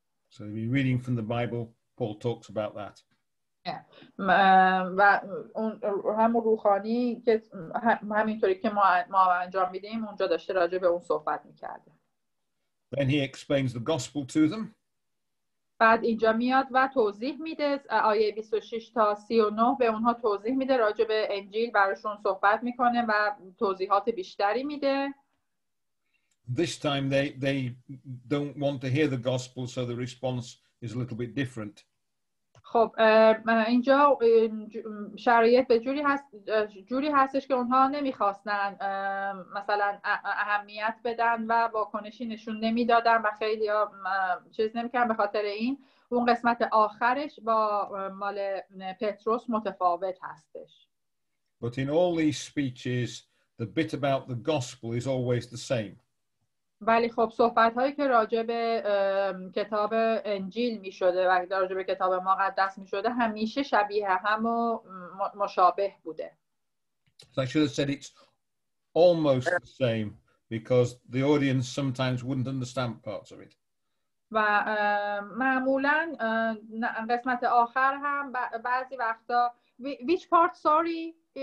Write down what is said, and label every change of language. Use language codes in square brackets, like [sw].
[en] So if you're reading from the Bible, Paul talks about that. [fa] و اون هم روحانی که همینطوری که ما انجام میدیم اونجا داشته راجع به اون صحبت میکرده. [en] Then he explains the gospel to them. [fa] بعد اینجا میاد و توضیح میده آیه 26 تا 39 به اونها توضیح میده راجع به انجیل براشون صحبت میکنه و توضیحات بیشتری میده. [en] This time they don't want to hear the gospel, so the response is a little bit different. [fa] خب اینجا شرایط به جوری هست جوری هستش که اونها نمیخواستن مثلا اهمیت بدن و واکنشی نشون نمیدادن و خیلی چیز نمیکردن به خاطر این اون قسمت آخرش با مال پتروس متفاوت هستش. [en] But in all these speeches the bit about the gospel is always the same. [fa] ولی خب صحبت هایی که راجع به کتاب انجیل می شده و راجع به کتاب مقدس می شده همیشه شبیه هم و مشابه بوده. [en] So I should have said it's almost the same because the audience sometimes wouldn't understand parts of it. [fa] و معمولا قسمت آخر هم بعضی وقتا [en] which part sorry